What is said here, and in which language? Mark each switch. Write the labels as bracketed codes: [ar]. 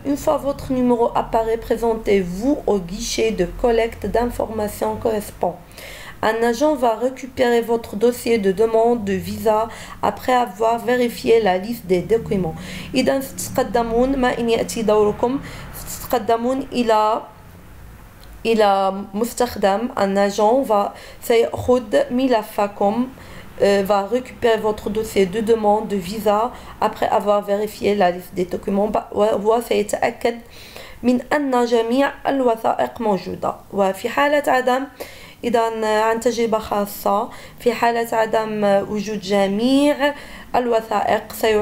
[fr] Une fois votre numéro apparaît, présentez-vous au guichet de collecte d'informations correspond. Un agent va récupérer votre dossier de demande de visa après avoir vérifié la liste des documents. [ar] إذن ستتقدمون ما إن يأتي دوركم ستتقدمون إلى مستخدم. [fr] Un agent va [ar] سيأخذ ملفكم [fr] va récupérer votre dossier de demande de visa après avoir vérifié la liste des documents. [ar] وسيتأكد من أن جميع الوثائق موجودة. وفي حالة عدم إذن عن تجربة خاصة في حالة عدم وجود جميع الوثائق